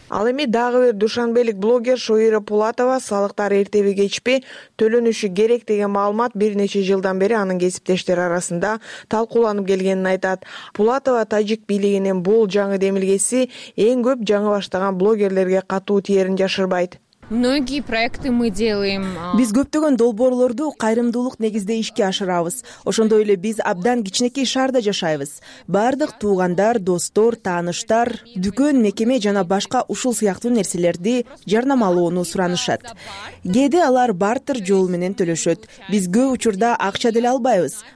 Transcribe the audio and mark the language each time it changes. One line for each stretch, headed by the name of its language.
Kyrgyz: Ал эми дагы бир душанбелик блогер Шоира Пулатова салыктар эртеби кечпи төлөнүшү керек деген маалымат бир нече жылдан бери анын кесиптештери арасында талкууланып келгенин айтат. Пулатова тажик бийлигинин бул жаңы демилгеси эң көп жаңы баштаган блогерлерге катуу тиерин жашырбайт.
Russian: Многие проекты мы делаем.
Kyrgyz: Биз көптөгөн долбоорлорду кайрымдуулук негизде ишке ашырабыз. Ошондой эле биз абдан кичинекей шаарда жашайбыз. Бардык туугандар, достор, тааныштар, дүкөн, мекеме жана башка ушул сыяктуу нерселерди жарнамалоону суранышат. Кээде алар бартер жол менен төлөшөт. Биз көп учурда акча деле албайбыз.